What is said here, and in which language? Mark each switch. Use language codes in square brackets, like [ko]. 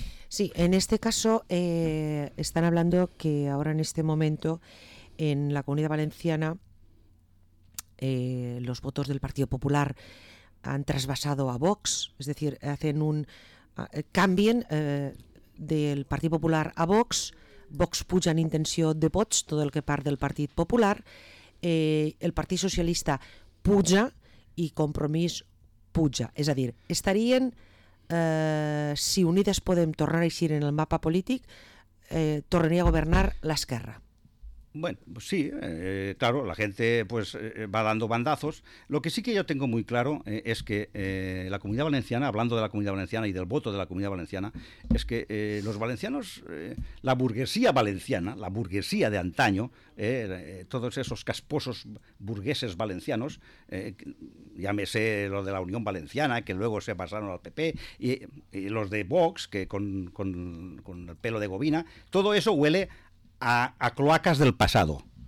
[es] Sí, en este caso están hablando que ahora en este momento en la Comunidad Valenciana los votos del Partido Popular han trasvasado a Vox, es decir, hacen un cambien del Partido Popular a Vox. [ca] Vox puja en intenció de vots, tot el que part del Partit Popular. El Partit Socialista puja i Compromís puja. És a dir, estarien, si Unides Podem tornar a eixir en el mapa polític, tornaria a governar l'esquerra. [es] Bueno, pues sí, claro, la gente pues va dando bandazos. Lo que sí que yo tengo muy claro es que la Comunidad Valenciana, hablando de la Comunidad Valenciana y del voto de la Comunidad Valenciana, es que los valencianos, la burguesía valenciana, la burguesía de antaño, todos esos casposos burgueses valencianos, llámese lo de la Unión Valenciana, que luego se pasaron al PP, y los de Vox, que con el pelo de gobina, todo eso huele a cloacas del pasado.